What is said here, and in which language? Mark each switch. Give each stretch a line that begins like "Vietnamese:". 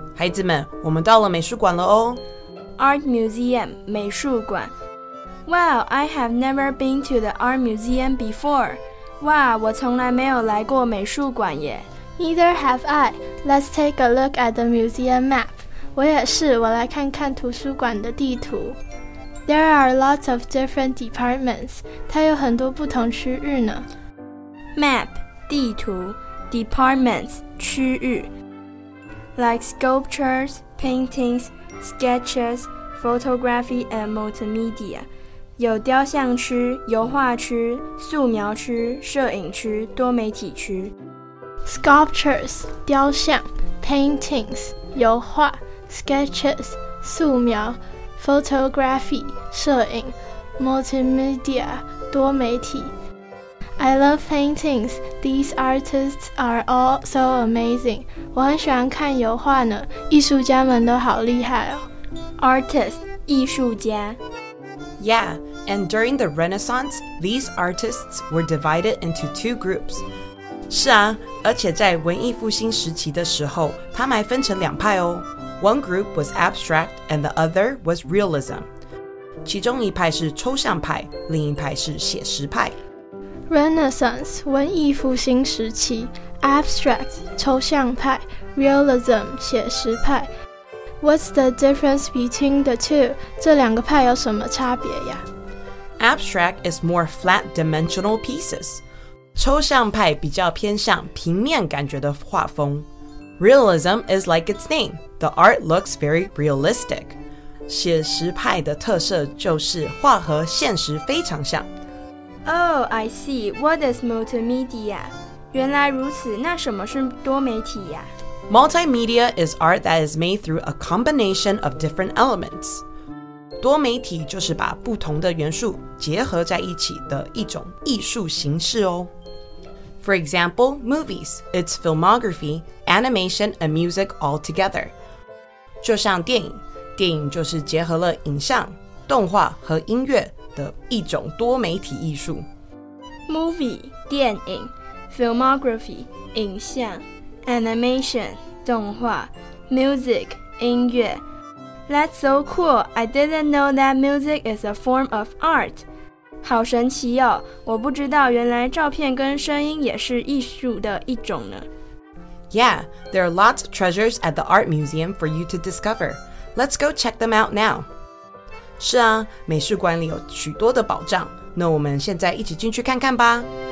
Chinese: 孩子们，我们到了美术馆了哦。
English: Art Museum, 美术馆。 Wow, I have never been to the art museum before.
Chinese: 哇，我从来没有来过美术馆耶。
English: Neither have I. Let's take a look at the museum map.
Chinese: 我也是，我来看看图书馆的地图。
English: There are lots of different departments.
Chinese: 它有很多不同区域呢。
English: Map, 地图。Departments, 区域。 Like sculptures, paintings, sketches, photography and multimedia.
Chinese: 有雕像区、油画区、素描区、摄影区、多媒体区。
English: Sculptures, 雕像 Paintings, 油画 Sketches, 素描 Photography, 摄影 Multimedia, 多媒体。 I love paintings, these artists are all so amazing.
Chinese: 我很喜欢看油画呢，艺术家们都好厉害哦。
English: Artist, 艺术家。 Yeah, and during the Renaissance, these artists were divided into two groups.
Chinese: 是啊，而且在文艺复兴时期的时候，他们还分成两派哦。
English: One group was abstract and the other was realism.
Chinese: 其中一派是抽象派，另一派是写实派。
English: Renaissance, 文艺复兴时期 ,abstract, 抽象派 ,realism, 写实派。 What's the difference between the two?
Chinese: 这两个派有什么差别呀?
English: Abstract is more flat dimensional pieces.
Chinese: 抽象派比较偏向平面感觉的画风。
English: Realism is like its name. The art looks very realistic.
Chinese: 写实派的特色就是画和现实非常像。
English: Oh, I see. What is multimedia?
Chinese: 原来如此,那什么是多媒体呀?
English: Multimedia is art that is made through a combination of different elements.
Chinese: 多媒体就是把不同的元素结合在一起的一种艺术形式哦。
English: For example, movies, it's filmography, animation, and music all together.
Chinese: 就像电影，电影就是结合了影像、动画和音乐的一种多媒体艺术。
English: Movie, 电影 ,filmography, 影像。 Animation, 动画 Music, 音乐 That's so cool, I didn't know that music is a form of art
Chinese: 好神奇哦，我不知道原来照片跟声音也是艺术的一种呢
English: Yeah, there are lots of treasures at the art museum for you to discover Let's go check them out now
Chinese: 是啊，美术馆里有许多的宝藏那我们现在一起进去看看吧